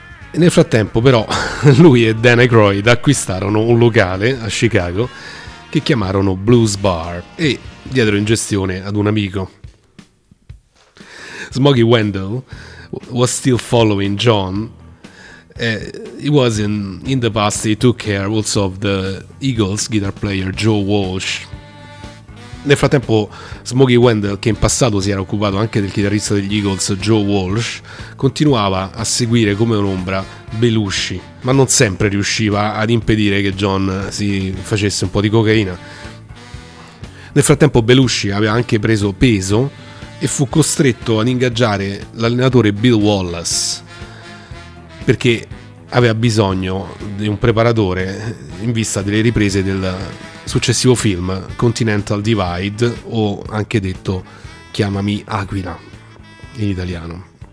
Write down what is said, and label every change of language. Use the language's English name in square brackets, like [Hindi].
[Italian] E nel frattempo però lui e Dan Aykroyd acquistarono un locale a Chicago che chiamarono Blues Bar e diedero in gestione ad un amico. Smokey Wendell [English] was still following John. It was in the past, he took care also of the Eagles guitar player Joe Walsh. [Italian] Nel frattempo Smokey Wendell, che in passato si era occupato anche del chitarrista degli Eagles Joe Walsh, continuava a seguire come un'ombra Belushi, ma non sempre riusciva ad impedire che John si facesse un po' di cocaina. Nel frattempo Belushi aveva anche preso peso e fu costretto ad ingaggiare l'allenatore Bill Wallace, perché aveva bisogno di un preparatore in vista delle riprese del successivo film Continental Divide, o anche detto Chiamami Aquila in italiano.